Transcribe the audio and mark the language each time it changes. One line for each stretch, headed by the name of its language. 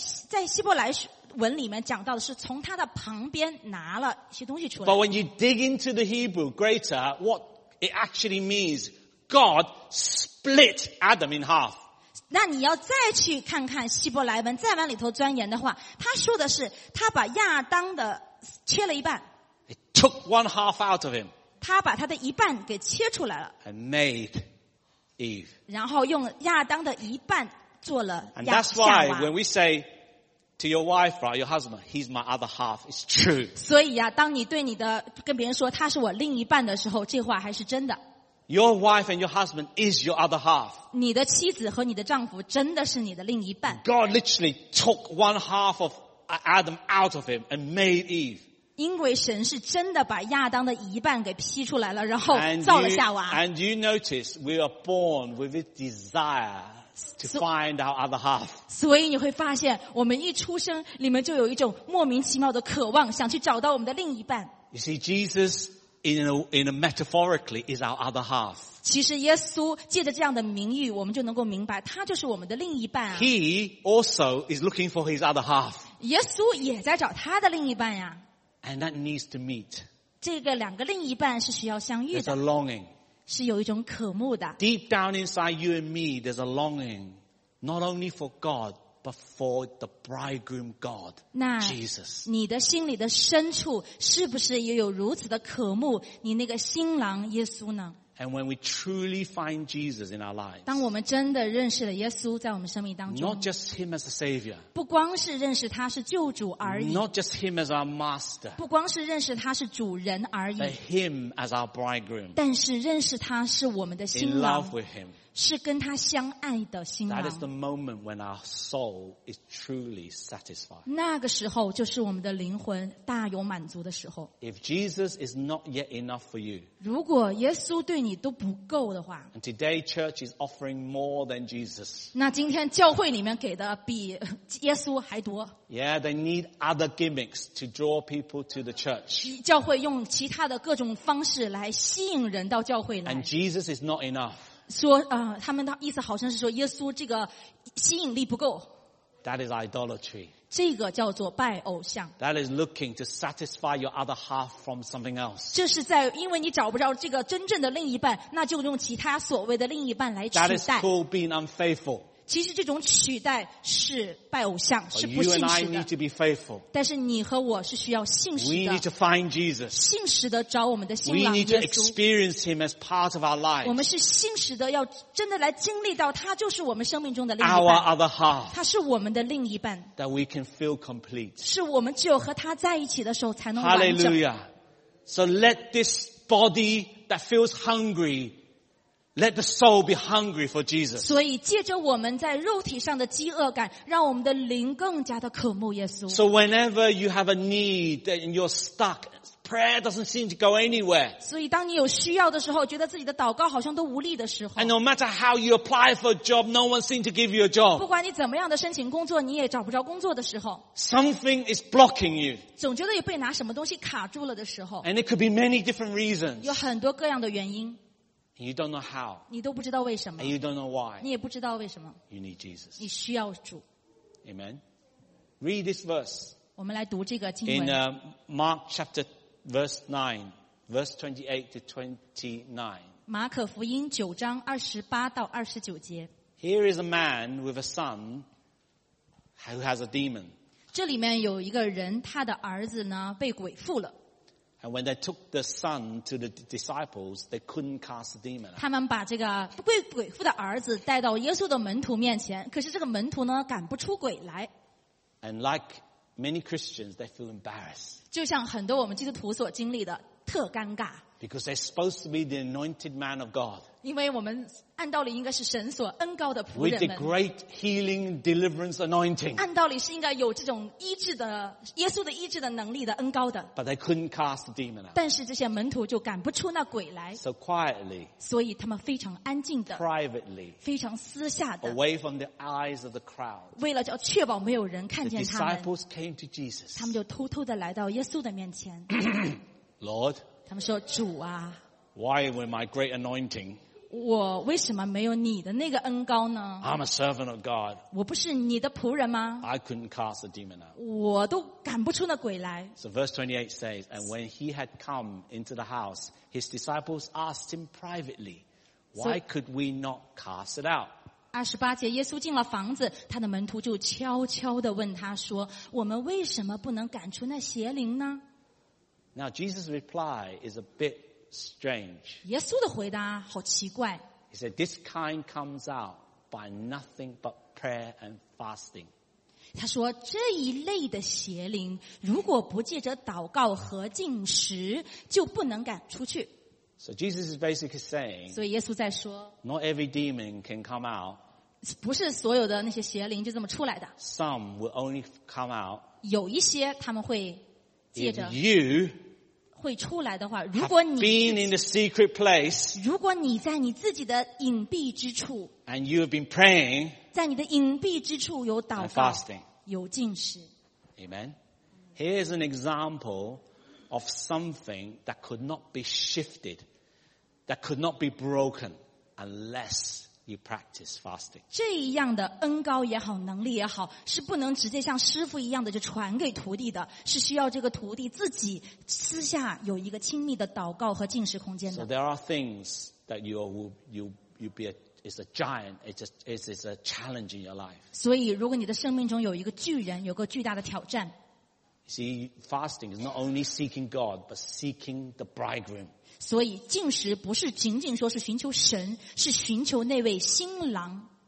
Chinese: 在希伯来文里面讲到的是从他的旁边拿了一些东西出来。
English: But when you dig into the Hebrew greater, what it actually means, God split Adam in half.
Chinese: 那你要再去看看希伯来文，再往里头钻研的话，他说的是他把亚当的切了一半。
English: He took one half out of him.
Chinese: 他把他的一半给切出来了。
English: And made Eve.
Chinese: 然后用亚当的一半做了亚当。
English: And that's why when we say to your wife or your husband, he's my other half, it's true.
Chinese: 所以啊，当你对你的跟别人说他是我另一半的时候，这话还是真的。
English: Your wife and your husband is your other half.
Chinese: 你的妻子和你的丈夫真的是你的另一半。
English: God literally took one half of Adam out of him and made Eve.
Chinese: 因为神是真的把亚当的一半给劈出来了，然后造了夏娃。
English: And you notice we are born with a desire to find our other half.
Chinese: 所以你会发现，我们一出生，里面就有一种莫名其妙的渴望，想去找到我们的另一半。
English: You see, Jesus in a metaphorically is our other half.
Chinese: 其实耶稣借着这样的名誉，我们就能够明白，他就是我们的另一半。
English: He also is looking for his other half.
Chinese: 耶稣也在找他的另一半呀。
English: And that needs to meet.
Chinese: 这个两个另一半是需要相遇的。
English: There's a longing.
Chinese: 是有一种渴慕的。
English: Deep down inside you and me, there's a longing, not only for God. But for the bridegroom God, Jesus.
Chinese: 你的心里的深处是不是也有如此的渴慕你那个新郎耶稣呢？
English: And when we truly find Jesus in our lives,
Chinese: 当我们真的认识了耶稣在我们生命当中，
English: not just him as a savior,
Chinese: 不光是认识他是救主而已，
English: not just him as our master,
Chinese: 不光是认识他是主人而已，
English: but him as our bridegroom,
Chinese: 但是认识他是我们的新郎，
English: in love with him.
Chinese: 是跟他相爱的新郎。
English: That is the moment when our soul is truly satisfied.
Chinese: 那个时候就是我们的灵魂大有满足的时候。
English: If Jesus is not yet enough for you,
Chinese: 如果耶稣对你都不够的话，
English: and today church is offering more than Jesus.
Chinese: 那今天教会里面给的比耶稣还多。
English: Yeah, they need other gimmicks to draw people to the church.
Chinese: 教会用其他的各种方式来吸引人到教会来。
English: And Jesus is not enough.
Chinese: 说他们的意思好像是说耶稣这个吸引力不够。
English: That is idolatry.
Chinese: 这个叫做拜偶像。
English: That is looking to satisfy your other half from something else.
Chinese: 这是在因为你找不着这个真正的另一半，那就用其他所谓的另一半来取代。
English: That is called being unfaithful.
Chinese: 其实这种取代是拜偶像，是不信实的。
English: You and I need to be faithful.
Chinese: 但是你和我是需要信实的。
English: We need to find Jesus.
Chinese: 信实的找我们的新郎耶稣。
English: We need to experience him as part of our life.
Chinese: 我们是信实的要真的来经历到他就是我们生命中的另一半。
English: Our other half.
Chinese: 他是我们的另一半。
English: That we can feel complete.
Chinese: 是我们只有和他在一起的时候才能完整。
English: Hallelujah. So let this body that feels hungry,Let the soul be hungry for Jesus.
Chinese: 所以借着我们在肉体上的饥饿感，让我们的灵更加的渴慕耶稣。
English: So whenever you have a need and you're stuck, prayer doesn't seem to go anywhere.
Chinese: 所以当你有需要的时候，觉得自己的祷告好像都无力的时候。
English: And no matter how you apply for a job, no one seems to give you a job.
Chinese: 不管你怎么样的申请工作，你也找不着工作的时候。
English: Something is blocking you.
Chinese: 总觉得有被拿什么东西卡住了的时候。
English: And it could be many different reasons.
Chinese: 有很多各样的原因。
English: You don't know how.
Chinese: 你都不知道为什么。
English: And you don't know why.
Chinese: 你也不知道为什么。
English: You need Jesus.
Chinese: 你需要主。
English: Amen. Read this verse.
Chinese: 我们来读这个经文。
English: In Mark chapter verse 9, verse 28 to 29.
Chinese: 马可福音九章二十八到二十九节。
English: Here is a man with a son who has a demon.
Chinese: 这里面有一个人，他的儿子呢被鬼附了。
English: And when they took the son to the disciples, they couldn't cast the demon out.
Chinese: 他们把这个被鬼附的儿子带到耶稣的门徒面前，可是这个门徒呢，赶不出鬼来。
English: And like many Christians, they feel embarrassed.
Chinese: 就像很多我们基督徒所经历的，特尴尬。
English: Because they're supposed to be the anointed man of God.
Chinese: 因为我们按道理应该是神所恩膏的仆人们。
English: With the great healing deliverance anointing.
Chinese: 按道理是应该有这种医治的耶稣的医治的能力的恩膏的。
English: But they couldn't cast the demon out.
Chinese: 但是这些门徒就赶不出那鬼来。
English: So quietly.
Chinese: 所以他们非常安静的。
English: Privately.
Chinese: 非常私下的。
English: Away from the eyes of the crowd.
Chinese: 为了要确保没有人看见他们。
English: The disciples came to Jesus.
Chinese: 他们就偷偷的来到耶稣的面前。
English: Lord.
Chinese: 他们说主啊
English: Why with my great anointing?
Chinese: 我为什么没有你的那个恩膏呢
English: I'm a servant of God.
Chinese: 我不是你的仆人吗
English: I couldn't cast a demon out.
Chinese: 我都赶不出那鬼来
English: So verse 28 says, And when he had come into the house, his disciples asked him privately, Why could we not cast it out?
Chinese: 28节耶稣进了房子他的门徒就悄悄地问他说我们为什么不能赶出那邪灵呢
English: Now Jesus' reply is a bit strange.
Chinese: 耶稣的回答好奇怪。
English: He said, "This kind comes out by nothing but prayer and fasting."
Chinese: 他说这一类的邪灵，如果不借着祷告和禁食，就不能赶出去。
English: So Jesus is basically saying,
Chinese: 所以耶稣在说
English: ，Not every demon can come out.
Chinese: 不是所有的那些邪灵就这么出来的。
English: Some will only come out.
Chinese: 有一些他们会。
English: If you
Chinese: 会出来的话，如果你
English: been in the secret place，
Chinese: 如果你在你自己的隐蔽之处
English: ，and you have been praying，
Chinese: 在你的隐蔽之处有祷告
English: ，fasting，
Chinese: 有禁食
English: ，amen。Here's an example of something that could not be shifted, that could not be broken unless you practice fasting.
Chinese: 这样的恩膏也好，能力也好，是不能直接像师父一样的就传给徒弟的，是需要这个徒弟自己私下有一个亲密的祷告和禁食空间的。
English: So there are things that you be it's a giant, it's a challenge in your life.
Chinese: 所以，如果你的生命中有一个巨人，有个巨大的挑战。
English: See, fasting is not only seeking God, but seeking the bridegroom.
Chinese: 所以禁食不是仅仅说是寻求神，是寻求那位新郎。